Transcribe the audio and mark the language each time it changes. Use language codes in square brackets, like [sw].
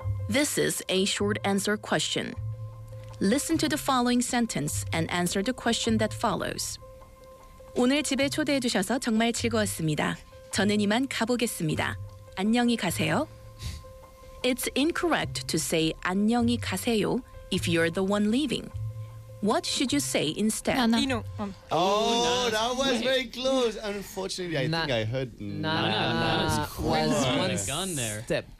[en] This is a short answer question. Listen to the following sentence and answer the question that follows. [ko] 오늘 집에 초대해 주셔서 정말 즐거웠습니다. 저는 이만 가보겠습니다. 안녕히 가세요. [en] It's incorrect to say [ko] 안녕히 가세요 [en] if you're the one leaving. What should you say instead? Nana. That was very close. Unfortunately, I think I heard Nana. Nana was one step.